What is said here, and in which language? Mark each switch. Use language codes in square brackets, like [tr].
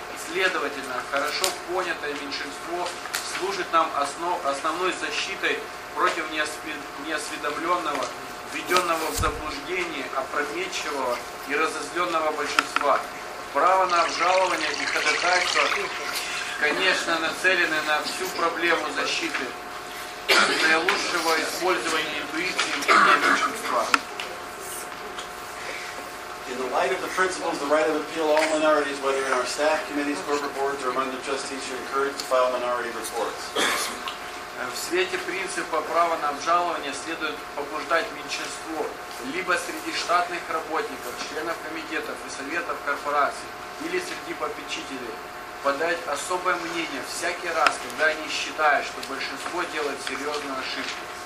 [ru] Следовательно, хорошо понятое меньшинство служит нам основной защитой против неосведомленного, введенного в заблуждение, опрометчивого и разозленного большинства. Право на обжалование и ходатайство, конечно, нацелены на всю проблему защиты наилучшего использования интуиции и меньшинства. [en] In the light of the principles, the right of appeal, all minorities, whether in our staff, committees, corporate boards, or among the trustees, are encouraged to file minority reports. [ru] В свете принципа права на обжалование следует побуждать меньшинство, либо среди штатных работников, членов комитетов и советов корпораций, или среди попечителей, подать особое мнение всякий раз, когда они считают, что большинство делает серьезную ошибку.